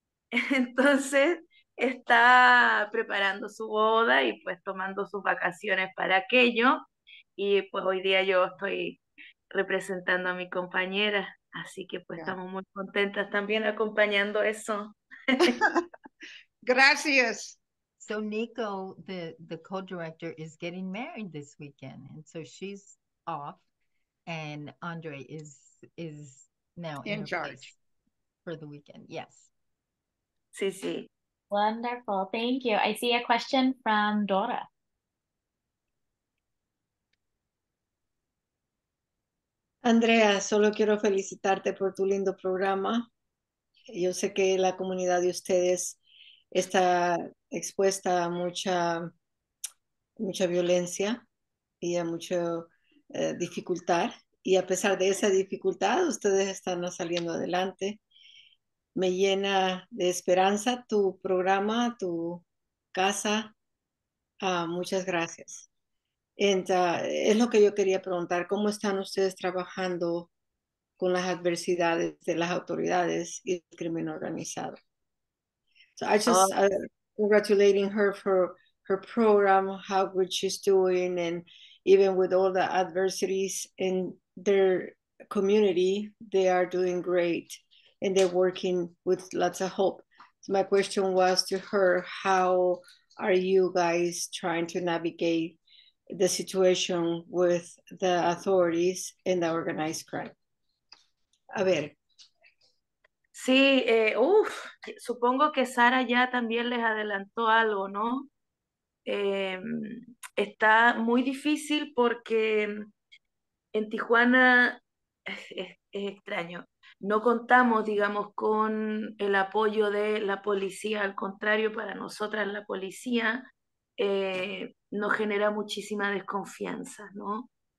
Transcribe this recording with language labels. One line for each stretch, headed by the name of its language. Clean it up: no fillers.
Spanish: Entonces, está preparando su boda y pues tomando sus vacaciones para aquello. Y pues hoy día yo estoy representando a mi compañera. Así que pues estamos muy contentas también acompañando eso. Gracias.
English: So Nico, the co-director, is getting married this weekend. And so she's off. And André is now in charge for the weekend. Yes.
Spanish: Sí, sí.
English: Wonderful. Thank you. I see a question from Dora.
Spanish: Andrea, solo quiero felicitarte por tu lindo programa. Yo sé que la comunidad de ustedes está expuesta a mucha violencia y a mucha dificultad. Y a pesar de esa dificultad, ustedes están saliendo adelante. Me llena de esperanza tu programa, tu casa. Muchas gracias. Es lo que yo quería preguntar, ¿cómo están ustedes trabajando con las adversidades de las autoridades y el crimen organizado?
English: So I just congratulating her for her program, how good she's doing, and even with all the adversities in their community, they are doing great and they're working with lots of hope. So my question was to her, how are you guys trying to navigate the situation with the authorities and the organized crime?
Spanish: A ver. Sí, supongo que Sara ya también les adelantó algo, ¿no? Está muy difícil porque en Tijuana, es extraño, no contamos, digamos, con el apoyo de la policía, al contrario, para nosotras la policía nos genera muchísima desconfianza, ¿no?